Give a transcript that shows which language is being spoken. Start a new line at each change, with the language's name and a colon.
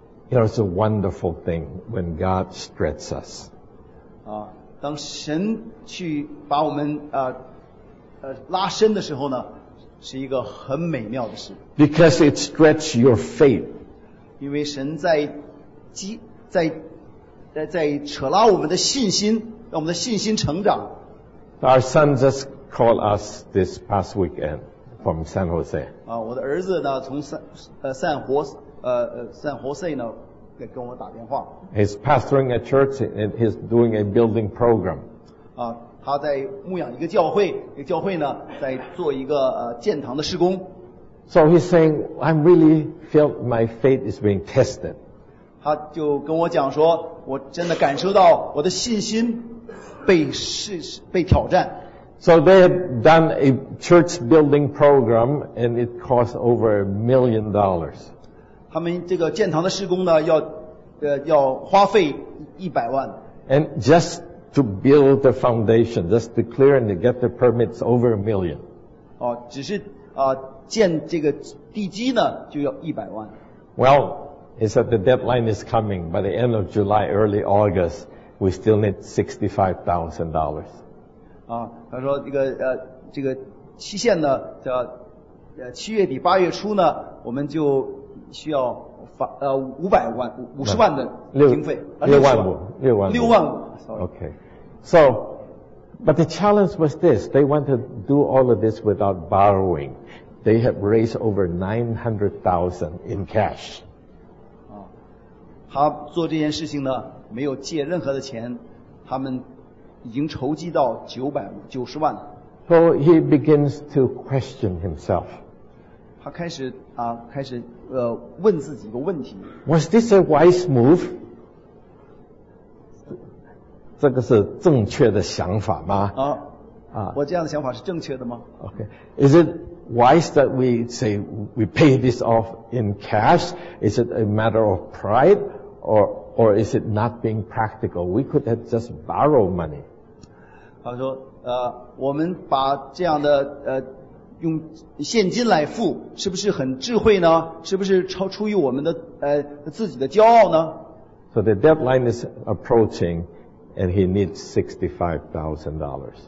English: There's a wonderful thing when God stretches us.
Chinese: 啊，当神去把我们拉伸的时候呢，是一个很美妙的事。
English: Because it stretches your faith.
Chinese: 因为神在扯拉我们的信心，让我们的信心成长。
English: Our son just called us this past weekend from San Jose.
Chinese: 啊，我的儿子呢，从San Jose 呢。跟我打电话。
English: He's pastoring a church and he's doing a building program.
Chinese: 啊，他在牧养一个教会，这个教会呢在做一个建堂的施工。
English: So he's saying, I'm really feel my faith is being tested.
Chinese: 他就跟我讲说，我真的感受到我的信心被挑战。
English: So they had done a church building program and it cost over $1 million.
Chinese: 他们这个建堂的施工呢，要花费100万。
English: And just to build the foundation, just to clear and to get the permits, over $1 million.
Chinese: 哦，只是建这个地基呢，就要100万。
English: Well, he said the deadline is coming by the end of July, early August. We still need $65,000.
Chinese: 啊，他说这个期限呢，叫七月底八月初呢，我们就。需要500万、50万的经费，六万五。Okay.
English: So, but the challenge was this: they want to do all of this without borrowing. They have raised over $900,000 in cash.
Chinese: 他做这件事情呢，没有借任何的钱，他们已经筹集到九十万。
English: So he begins to question himself.
Chinese: 他开始啊，开始。问自己一个问题。
English: Was this a wise move?
Chinese: 这个是正确的想法吗？我这样的想法是正确的吗？
English: Okay. Is it wise that we say we pay this off in cash? Is it a matter of pride? Or is it not being practical? We could have just borrowed money.
Chinese: 他说我们把这样的用现金来付，是不是很智慧呢？是不是超出于我们的自己的骄傲呢？
English: So the deadline is approaching, and he needs $65,000.